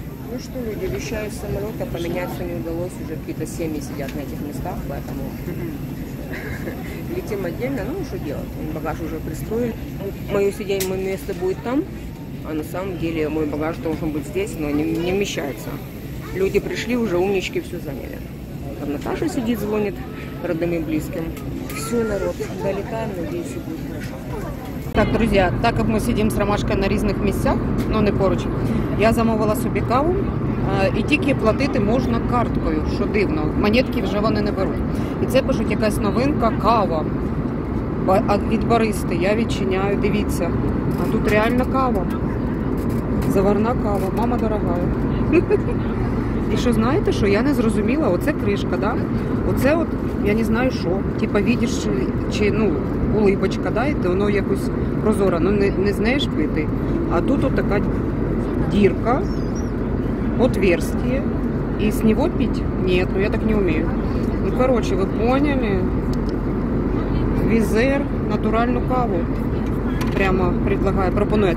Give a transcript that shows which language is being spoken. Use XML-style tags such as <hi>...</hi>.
<ru>Ну что, люди, вещаю с самолета, поменяться не удалось, уже какие-то семьи сидят на этих местах, поэтому летим отдельно, ну что делать, багаж уже пристроили. Мое сиденье, мое место будет там, а на самом деле мой багаж должен быть здесь, но не вмещается. Люди пришли, уже умнички все заняли. Там Наташа сидит, звонит родным и близким. Все, народ, долетаем, надеюсь, будет хорошо.</ru> <uk>Так, друзья, так как мы сидим с Ромашкой на різних місцях, но не поруч, я замовила собі каву, і тільки платити можна карткою, що дивно, монетки вже вони не беруть. І це, кажуть, якась новинка, кава від Баристи, я відчиняю, дивіться, а тут реальна кава, заварна кава, мама дорога. І що, знаєте, що я не зрозуміла, оце кришка, да? Оце от, я не знаю, що, типа, видиш, чи, ну, улыбочка, да,</uk> <ru>это оно</ru> <uk>якось прозоро, ну не знаешь пити.</uk> <ru>А тут вот такая дірка, отверстие, и с него пить? Нет, ну я так не умею. Ну короче, вы поняли, визер, натуральную каву прямо предлагаю, пропоную.</ru>